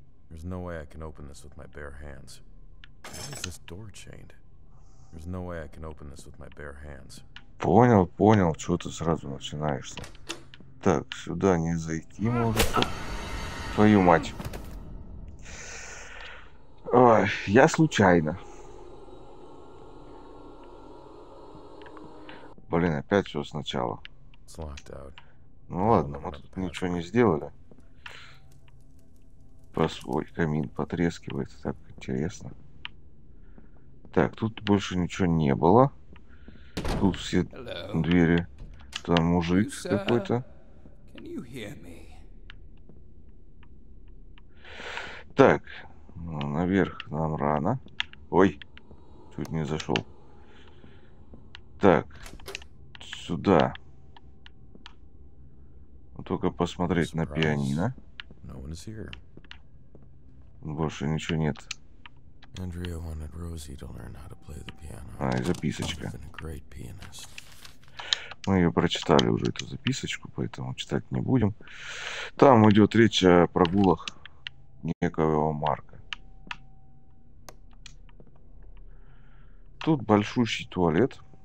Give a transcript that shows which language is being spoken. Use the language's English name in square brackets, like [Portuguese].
[English] There's no way I can open this with my bare hands. Why is this door chained? There's no way I can open this with my bare hands. [Russian] Понял, понял, чего ты сразу начинаешься. Так, сюда не зайти может. Твою мать. Ой, я случайно. Блин, опять все сначала. [English] It's locked out. [Russian] Ну ладно, мы тут ничего не сделали. Свой камин потрескивается, так интересно. Так, тут больше ничего не было. Тут все [English] Hello. [Russian] Двери. Там мужик [English] you, [Russian] какой-то. [English] Can you hear me? [Russian] Так, ну, наверх нам рано. Ой, чуть не зашел. Так, сюда. Только посмотреть на пианино. [English] No one is here. [Russian] Больше ничего нет. [English] Andrea wanted Rosie to learn how to play the piano. [Russian] А, и записочка. [English] She's been a great pianist. [Russian] Мы ее прочитали уже, эту записочку, поэтому читать не будем. Там идет речь о прогулах некоего Марка. Тут большущий туалет.